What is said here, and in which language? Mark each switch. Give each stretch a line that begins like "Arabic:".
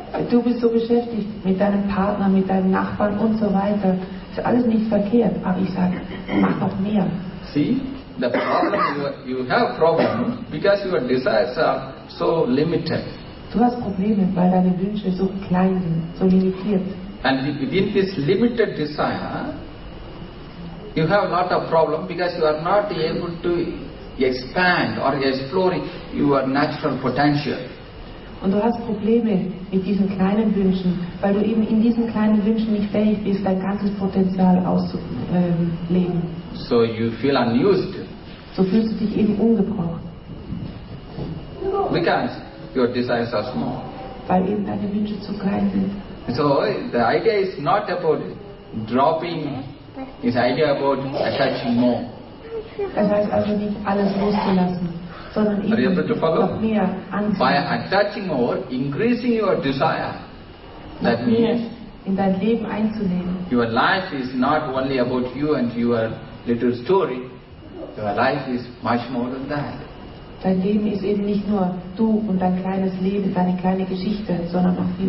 German: Du bist so beschäftigt mit deinem Partner, mit deinen Nachbarn und so weiter. Es ist alles nicht verkehrt, aber ich sage, mach noch mehr.
English: See, the problem, you have problem because your desires are so limited.
German: Du hast Probleme, weil deine Wünsche so klein sind, so limitiert.
English: And within this limited desire, you have a lot of problem because you are not able to expand or explore your natural potential.
German: Und du hast Probleme mit diesen kleinen Wünschen, weil du eben in diesen kleinen Wünschen nicht fähig bist, dein ganzes Potenzial auszuleben.
English: So you feel unused.
German: So fühlst du dich eben ungebraucht.
English: Because your desires are small.
German: Weil eben deine Wünsche zu klein sind.
English: So the idea is not about dropping, it's the idea about attaching more.
German: Das heißt also nicht alles loszulassen, sondern eben noch mehr anzunehmen.
English: By attaching more, increasing your desire, that means
German: in dein Leben einzunehmen.
English: Your life is not only about you and your little story, your life is much more than that.
German: Dein Leben ist eben nicht nur du und dein kleines Leben, deine kleine Geschichte, sondern auch viel.